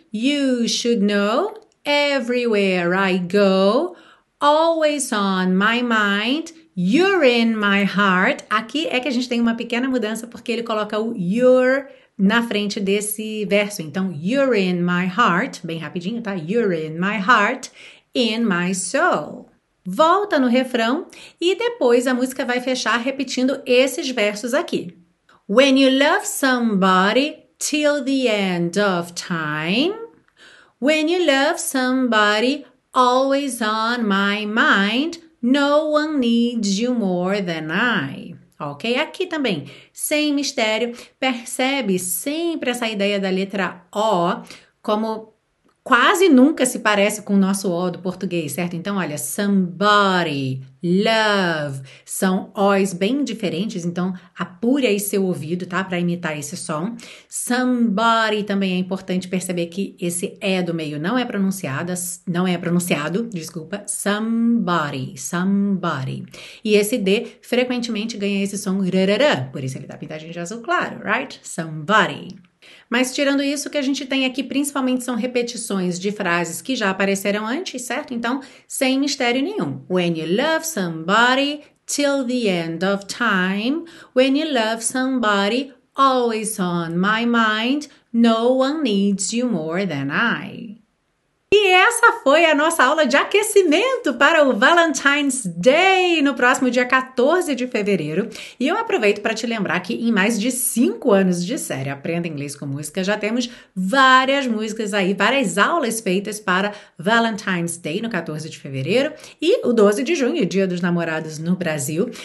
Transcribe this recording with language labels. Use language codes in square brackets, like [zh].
[en] You should know everywhere I go. Always on my mind, you're in my heart. [pt] Aqui é que a gente tem uma pequena mudança, porque ele coloca o you're na frente desse verso. Então, [en] you're in my heart, [pt] bem rapidinho, tá? [en] You're in my heart, in my soul. [pt] Volta no refrão e depois a música vai fechar repetindo esses versos aqui. [en] When you love somebody till the end of time. When you love somebody always on my mind, no one needs you more than I. Ok? [pt] Aqui também, sem mistério, percebe sempre essa ideia da letra O, como quase nunca se parece com o nosso O do português, certo? Então, olha, somebody, love, são O's bem diferentes, então apure aí seu ouvido, tá? Para imitar esse som. Somebody, também é importante perceber que esse E do meio não é pronunciado, somebody. E esse D frequentemente ganha esse som, rarara, por isso ele dá pintagem de azul claro, [en] right? [pt] Somebody. Mas tirando isso, o que a gente tem aqui principalmente são repetições de frases que já apareceram antes, certo? Então, sem mistério nenhum. [en] When you love somebody till the end of time. When you love somebody always on my mind. No one needs you more than I. [pt] E essa foi a nossa aula de aquecimento para o Valentine's Day no próximo dia 14 de fevereiro. E eu aproveito para te lembrar que em mais de 5 anos de série Aprenda Inglês com Música, já temos várias músicas aí, várias aulas feitas para Valentine's Day no 14 de fevereiro e o 12 de junho, Dia dos Namorados no Brasil.